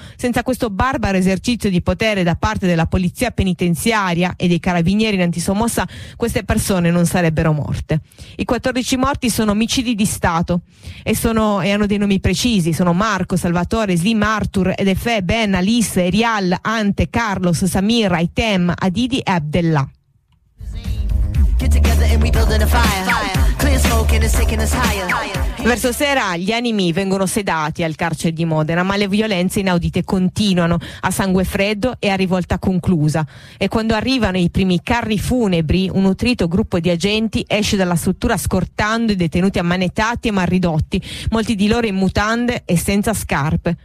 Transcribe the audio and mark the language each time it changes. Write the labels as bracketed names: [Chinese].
[Italian] Senza questo barbaro esercizio di potere da parte della polizia penitenziaria e dei carabinieri in antisommossa, queste persone non sarebbero morte. I 14 morti sono omicidi di Stato e hanno dei nomi precisi: sono Marco, Salvatore, Slim, Arthur, Edefè, Ben, Alice, Rial, Ante, Carlos, Samir, Aitem, Adidi e Abdellah. [English] Get together and we building a fire. Clear smoke and it's taking us higher. [Italian] Verso sera gli animi vengono sedati al carcere di Modena, ma le violenze inaudite continuano a sangue freddo e a rivolta conclusa. E quando arrivano i primi carri funebri, un nutrito gruppo di agenti esce dalla struttura scortando i detenuti ammanettati e malridotti, molti di loro in mutande e senza scarpe.